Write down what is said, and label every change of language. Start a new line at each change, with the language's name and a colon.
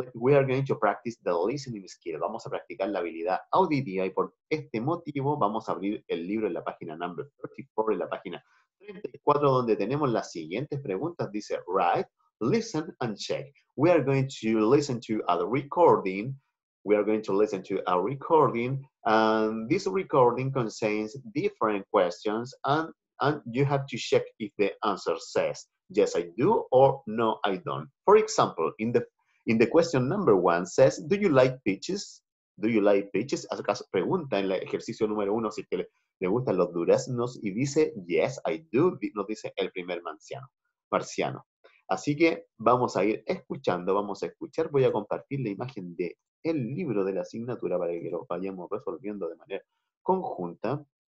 English: We are going to practice the listening skill.
Spanish: Vamos a practicar la habilidad auditiva y por este motivo vamos a abrir el libro en la página number 34, en la página 34, donde tenemos las siguientes preguntas. Dice,
English: write, listen and check. We are going to listen to a recording. We are going to listen to a recording, and this recording contains different questions, and you have to check if the answer says yes, I do, or no, I don't. For example, in the question number one says, do you like peaches? Do you like peaches?
Spanish: Acaso pregunta en el ejercicio número uno si es que le gustan los duraznos, y dice,
English: yes, I do,
Spanish: nos dice el primer marciano. Así que vamos a ir escuchando, vamos a escuchar, voy a compartir la imagen de el libro de la asignatura para que lo vayamos resolviendo de manera conjunta.